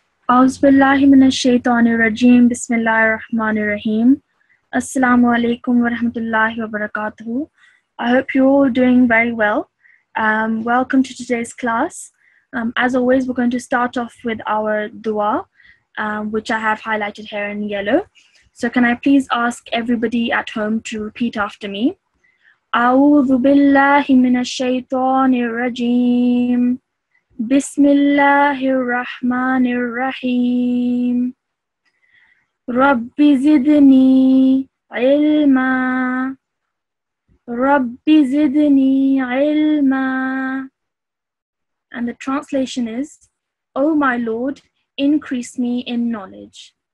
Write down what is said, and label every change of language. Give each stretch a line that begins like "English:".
Arabic: أعوذ بالله من الشيطان الرجيم بسم الله الرحمن الرحيم السلام عليكم ورحمة الله وبركاته
English: I hope you're all doing very well. Welcome to today's class. As always, we're going to start off with our dua, which I have highlighted here in yellow. So can I please ask everybody at home to repeat after me?
Arabic: أعوذ بالله من الشيطان الرجيم بسم الله الرحمن الرحيم رب زدني علما رب زدني علما
English: And the translation is, O my Lord, increase me in knowledge.